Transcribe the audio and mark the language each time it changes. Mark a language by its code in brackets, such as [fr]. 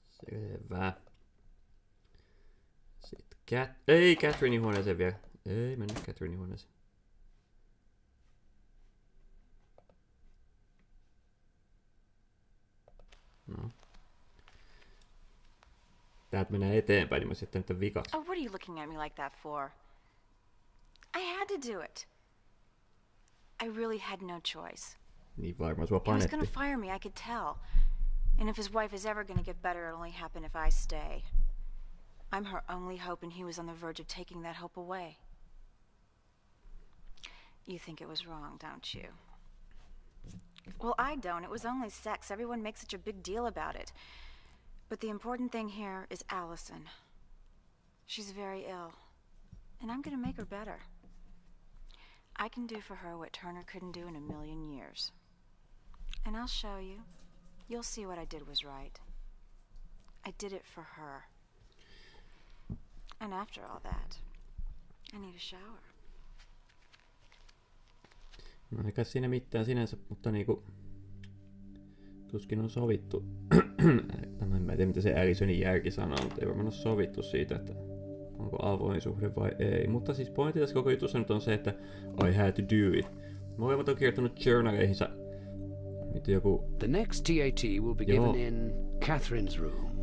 [fi] Hyvä. Sitten Ei Catherinein huoneeseen vielä. Ei mennä Catherinein huoneeseen. No. Täältä mennään eteenpäin, niin mä sitten nyt vikaksi. [en] Oh, what are you looking at me like that for? I had to do it. I really had no choice. [fi] Niin varmaan sua panetti. [en] He was gonna fire me, I could tell. And if his wife is ever gonna get better, it'll only happen if I stay. I'm her only hope, and he was on the verge of taking that hope away. You think it was wrong, don't you? Well, I don't. It was only sex. Everyone makes such a big deal about it. But the important thing here is Allison. She's very ill. And I'm gonna make her better. I can do for her what Turner couldn't do in a million years. And I'll show you. You'll see what I did was right. I did it for her. And after all that, I need a shower. [fi] No eikä siinä mitään sinänsä, mutta niinku tuskin on sovittu. Mä en tiedä mitä se Allisonin järki sanoo, mutta ei varmaan ole sovittu siitä, että onko avoin suhde vai ei. Mutta siis pointti tässä koko jutussa nyt on se, että [en] I had to do it. [fi] Molemmat on kirjoittanut journaleihinsa. Joku... [en] The next TAT will be given in Catherine's room.